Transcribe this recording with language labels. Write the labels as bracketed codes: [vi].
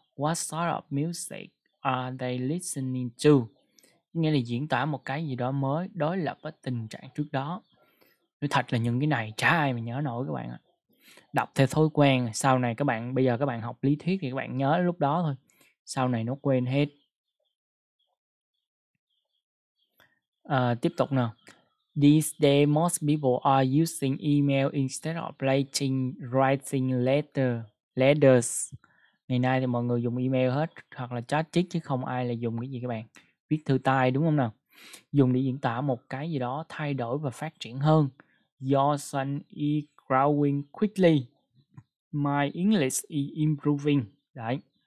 [en] What sort of music are they listening to? [vi] Nghĩa là diễn tả một cái gì đó mới đối lập với tình trạng trước đó. Nói thật là những cái này chả ai mà nhớ nổi các bạn ạ. Đọc theo thói quen, sau này các bạn, bây giờ các bạn học lý thuyết thì các bạn nhớ lúc đó thôi. Sau này nó quên hết. Tiếp tục nè. [en] These days most people are using email instead of writing letters. [vi] Ngày nay thì mọi người dùng email hết, hoặc là chat chít chứ không ai là dùng cái gì các bạn. Viết thư tay đúng không nào? Dùng để diễn tả một cái gì đó thay đổi và phát triển hơn. [en] Your son is growing quickly. My English is improving. [vi] Đấy.